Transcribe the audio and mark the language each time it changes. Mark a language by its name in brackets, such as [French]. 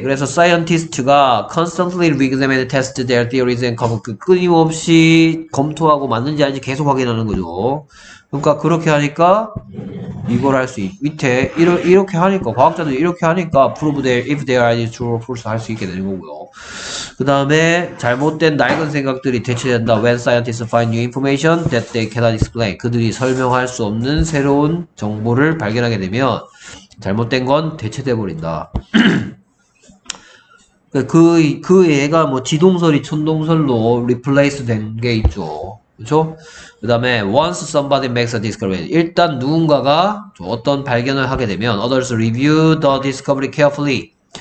[Korean] 그래서 [English] scientist가 constantly re-examine and test their theories and come [Korean] 끊임없이 검토하고 맞는지 아닌지 계속 확인하는 거죠. 그러니까 그렇게 하니까 이걸 할수 밑에 이렇게 하니까 과학자들이 이렇게 하니까 [English] prove their if their idea is true or false [Korean] 할수 있게 되는 거고요. 그 다음에 잘못된 낡은 생각들이 대체된다. [English] When scientists find new information that they cannot explain. [Korean] 그들이 설명할 수 없는 새로운 정보를 발견하게 되면 잘못된 건 대체돼 버린다. 그 얘가 뭐 지동설이 천동설로 replace 된게 있죠. 그렇죠? 그 다음에 [English] once somebody makes a discovery, [Korean] 일단 누군가가 어떤 발견을 하게 되면 [English] others review the discovery carefully.